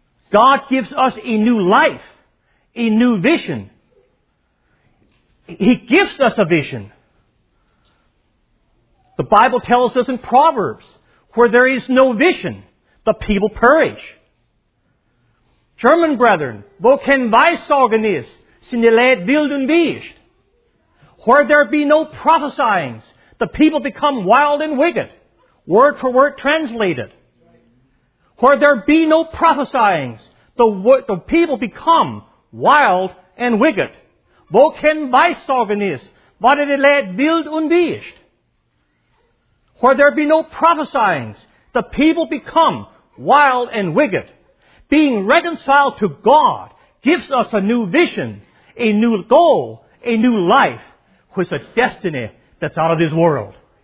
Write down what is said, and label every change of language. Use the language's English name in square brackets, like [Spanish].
[English] God gives us a new life, a new vision. He gives us a vision. The Bible tells us in Proverbs, where there is no vision, the people perish. German brethren, [German] wo kein Weissagen ist, sind die Leute wild und wüst. [English] Where there be no prophesyings, the people become wild and wicked. Word for word translated. Where there be no prophesyings, the people become wild and wicked. [German] Wo kein Weissagen ist, wurde die Leute wild und wüst. [English] Where there be no prophesyings, the people become wild and wicked. Being reconciled to God gives us a new vision, a new goal, a new life, with a destiny that's out of this world.